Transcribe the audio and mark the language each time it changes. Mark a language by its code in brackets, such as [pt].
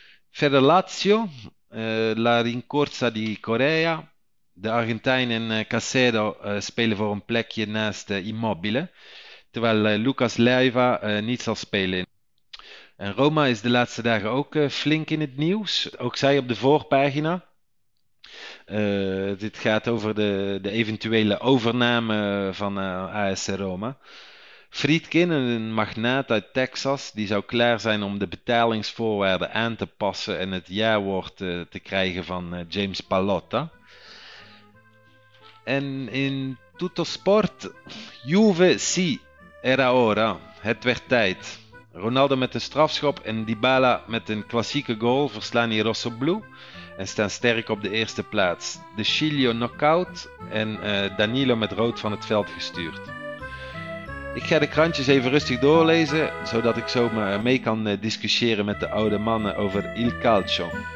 [nl] Verder Lazio, [it] La Rincorsa di Corea. [nl] De Argentijn en Casedo spelen voor een plekje naast Immobile. Terwijl Lucas Leiva niet zal spelen. En Roma is de laatste dagen ook flink in het nieuws. Ook zij op de voorpagina. Dit gaat over de eventuele overname van AS Roma. Friedkin, een magnaat uit Texas, die zou klaar zijn om de betalingsvoorwaarden aan te passen en het jawoord te krijgen van James Palotta. En in tutto sport, [it] Juve sì, era ora. [nl] Het werd tijd. Ronaldo met een strafschop en Dybala met een klassieke goal verslaan in rossoblu en staan sterk op de eerste plaats. De Ciglio knock-out en Danilo met rood van het veld gestuurd. Ik ga de krantjes even rustig doorlezen, zodat ik zomaar mee kan discussiëren met de oude mannen over il calcio.